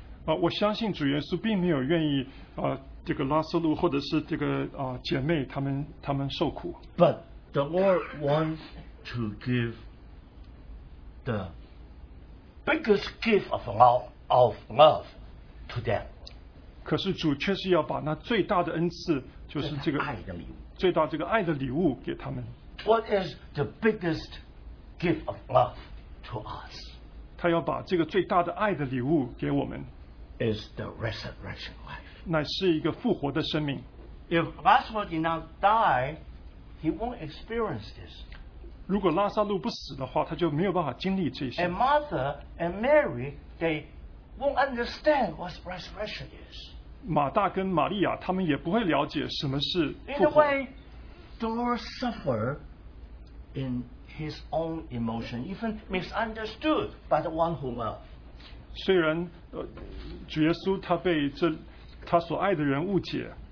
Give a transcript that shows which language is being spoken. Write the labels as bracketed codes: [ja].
[zh] 我相信主耶稣并没有愿意这个拉撒路或者是这个姐妹他们受苦。 [en] But the Lord wants to give the biggest gift of love to them. [zh] 可是主却是要把那最大的恩赐，就是这个爱的礼物，最大这个爱的礼物给他们。 [en] What is the biggest gift of love? To us, [zh] 他要把这个最大的爱的礼物给我们 [en] is the resurrection life. [zh] 乃是一个复活的生命。 [en] If Lazarus did not die, he won't experience this. [zh] 如果拉撒路不死的话，他就没有办法经历这些。 [en] And Martha and Mary, they won't understand what resurrection is. [zh] 马大跟玛利亚他们也不会了解什么是复活。 [en] In a way, the Lord suffered in. His own emotion, even misunderstood by the one who loved. [zh] 虽然主耶稣他被这他所爱的人误解。